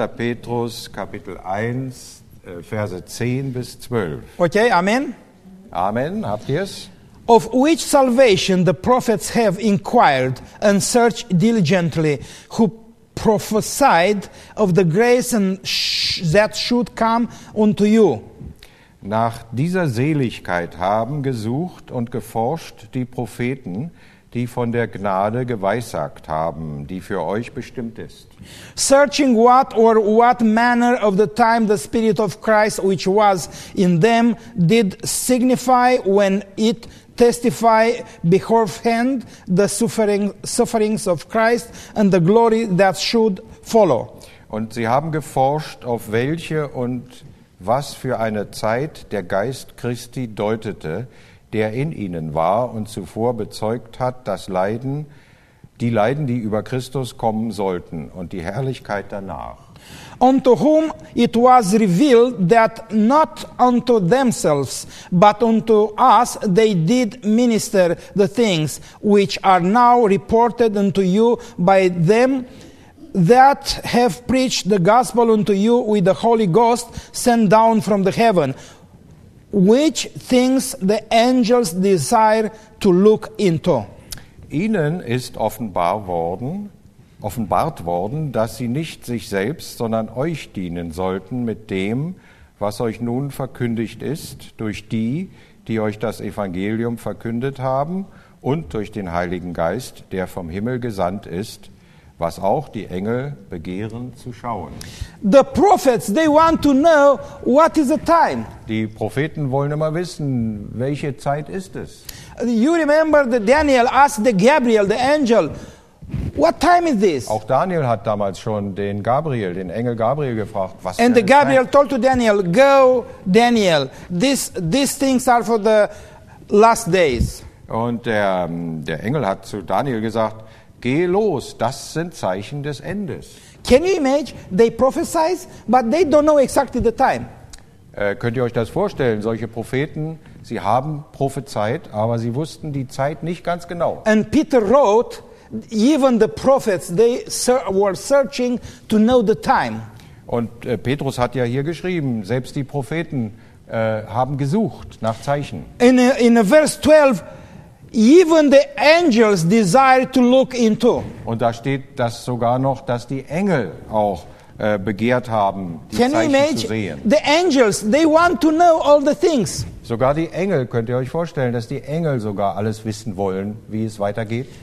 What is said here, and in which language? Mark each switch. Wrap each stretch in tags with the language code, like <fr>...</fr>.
<de>Petrus, Kapitel 1, Verse 10 bis 12.</de> <en>Okay, amen.</en> <de>Amen, habt ihr es?</de> <en>Of which salvation the prophets have inquired and searched diligently, who prophesied of the grace and that should come unto you.</en> <de>Nach dieser Seligkeit haben gesucht und geforscht die Propheten, die von der Gnade geweissagt haben, die für euch bestimmt ist.</de> <en>Searching what or what manner of the time the Spirit of Christ which was in them did signify when it testify beforehand the sufferings of Christ and the glory that should follow.</en> <de>Und sie haben geforscht, auf welche und was für eine Zeit der Geist Christi deutete, der in ihnen war und zuvor bezeugt hat, dass Leiden, die über Christus kommen sollten und die Herrlichkeit danach.</de> <en>Unto whom it was revealed that not unto themselves, but unto us they did minister the things which are now reported unto you by them that have preached the gospel unto you with the Holy Ghost sent down from the heaven, which things the angels desire to look into.</en> <de>Ihnen ist offenbart worden, dass sie nicht sich selbst, sondern euch dienen sollten mit dem, was euch nun verkündigt ist, durch die, die euch das Evangelium verkündet haben, und durch den Heiligen Geist, der vom Himmel gesandt ist, was auch die Engel begehren zu schauen.</de> <en>The prophets, they want to know, what is the time?</en> <de>Die Propheten wollen immer wissen, welche Zeit ist es?</de> <en>You remember that Daniel asked the Gabriel, the angel, what time is this?</en> <de>Auch Daniel hat damals schon den Gabriel, den Engel Gabriel gefragt, was.</de> <en>And the Gabriel told to Daniel, go Daniel, these things are for the last days.</en> <de>Und der Engel hat zu Daniel gesagt, geh los, das sind Zeichen des Endes.</de> <en>Can you imagine, they prophesy, but they don't know exactly the time.</en> <de>Könnt ihr euch das vorstellen, solche Propheten, sie haben prophezeit, aber sie wussten die Zeit nicht ganz genau.</de> <en>And Peter wrote, even the prophets, they were searching to know the time.</en> <de>Und Petrus hat ja hier geschrieben, selbst die Propheten haben gesucht nach Zeichen.</de> <en>In verse 12, even the angels desire to look into.</en> <de>Und da steht das sogar noch, dass die Engel auch begehrt haben, die Zeichen zu sehen.</de> <en>Can you imagine? The angels, they want to know all the things.</en> <de>Sogar die Engel, könnt ihr euch vorstellen, dass die Engel sogar alles wissen wollen, wie es weitergeht?</de>